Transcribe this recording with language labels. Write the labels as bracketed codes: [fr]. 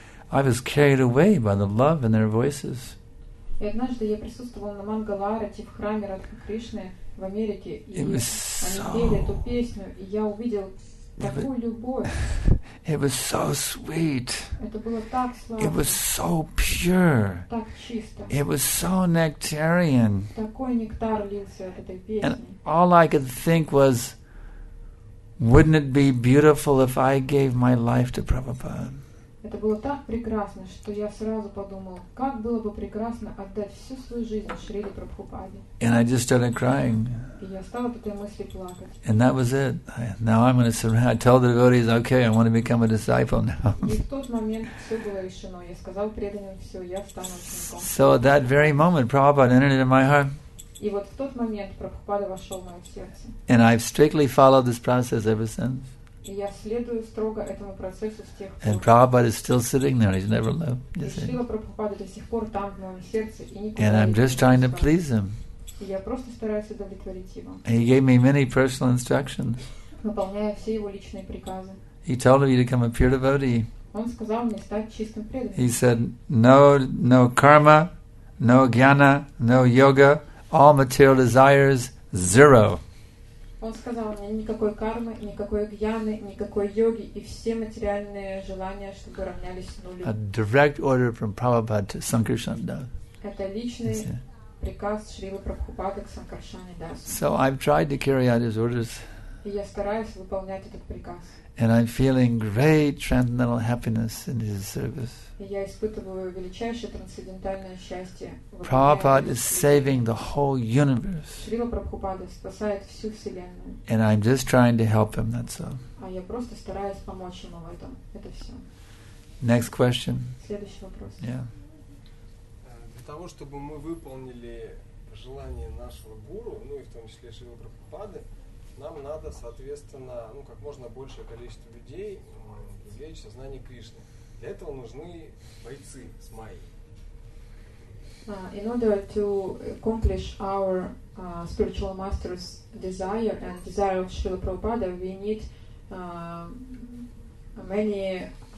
[en] I was carried away by the love in their voices. [ru] И однажды я присутствовал на Мангаларате в храме Радха Кришны в Америке, и они пели эту песню, и я увидел такую любовь. [en] It was so sweet. [ru] Это было так сладко. [en] It was so pure. [ru] Так чисто. [en] It was so nectarian. [ru] Такой нектар лился от этой песни. [en] And all I could think was, wouldn't it be beautiful if I gave my life to Prabhupada? [ru] Это было так прекрасно, что я сразу подумал, как было бы прекрасно отдать всю свою жизнь Шриле Прабхупаде. [en] And I just started crying. [ru] И я стал от этой мысли плакать. [en] And that was it. Now I'm going to surrender. I tell the devotees, okay, I want to become a disciple now. [ru] И в тот момент все было решено. Я сказал преданным, все, я стану учеником. [en] So at that very moment, Prabhupada entered into my heart. [ru] И вот в тот момент Прабхупада вошел в мое сердце. [en] And I've strictly followed this process ever since. [ru] И я следую строго этому процессу с тех пор. [en] And Prabhupada is still sitting there. He's never left. [ru] И Шрила Прабхупада до сих пор там, в моем сердце, и никуда не ушел. [en] And I'm just trying to please him. [ru] И я просто стараюсь удовлетворить его. [en] And he gave me many personal instructions. [ru] Выполняя все его личные приказы. [en] He told me to become a pure devotee. [ru] Он сказал мне стать чистым преданным. [en] He said, no karma, no jnana, no yoga, all material desires, zero. [ru] Он сказал мне, никакой кармы, никакой гьяны, никакой йоги, и все материальные желания, чтобы равнялись нулю. [en] A direct order from Prabhupada to Sankarsana Das. [ru] Это личный приказ Шрилы Прабхупады к Санкаршане Дасу. [en] So I've tried to carry out his orders. [ru] И я стараюсь выполнять этот приказ. [en] And I'm feeling great transcendental happiness in his service. [ru] Я испытываю величайшее трансцендентальное счастье. [en] Prabhupada is saving the whole universe. [ru] Шрила Прабхупада спасает всю вселенную. [en] And I'm just trying to help him, that's all. [ru] А я просто стараюсь помочь ему в этом. Это все. [en] Next question. [ru] Следующий вопрос. Yeah. Для того, чтобы мы выполнили желание нашего гуру, ну и в том числе Шрила Прабхупады, нам надо, соответственно, ну, как можно большее количество людей привлечь сознание Кришны. Для этого нужны бойцы с майей. [en] In order to accomplish our spiritual master's desire and desire of Srila Prabhupada, we need many